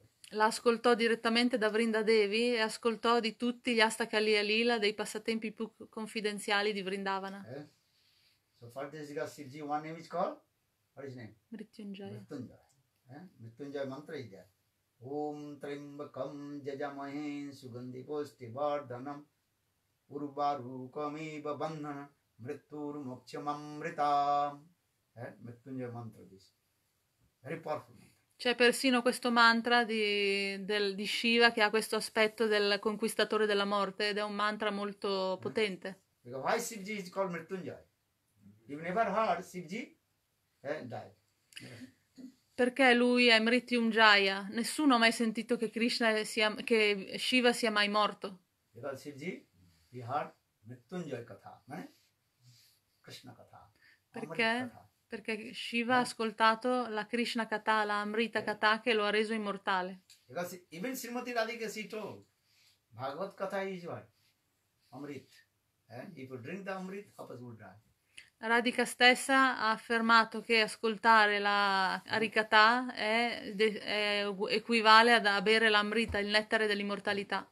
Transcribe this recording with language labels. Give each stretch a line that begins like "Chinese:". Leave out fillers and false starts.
Italian: L'ascoltò direttamente da Vrindadevi e ascoltò di tutti gli Astakaliya Lila dei passatempi più confidenziali di Vrindavana.
English: So far this is Shivji, one name is called? What is his name? Mrityunjaya. Mrityunjaya mantra is there.
Sanskrit: Om Trimbakam Jajamahen Sugandhi Posti Vardhanam Urvarukam Eva Bandhanam Mrittur Moksham Amritam.
English: Mrityunjaya mantra is very powerful.
Italian: C'è persino questo mantra di Shiva che ha questo aspetto del conquistatore della morte ed è un mantra molto potente.
English: Because why Shivji is called Mrityunjaya? You've never heard Shivji died.
Italian: Perché lui è Mrityunjaya? Nessuno ha mai sentito che Krishna sia che Shiva sia mai morto.
English: Because Shivji, he heard Mrityunjaya katha, Krishna katha.
Italian: Perché? Perché Shiva ha ascoltato la Krishna Katha, la Amrita Katha, che lo ha reso immortale.
English: Because even Srimati Radhika, she told, Bhagavad Katha is what? Amrit. And if you drink the Amrit, others will die.
Italian: Radhika stessa ha affermato che ascoltare la Arikatha è equivale a bere l'Amrita, il nettare dell'immortalità.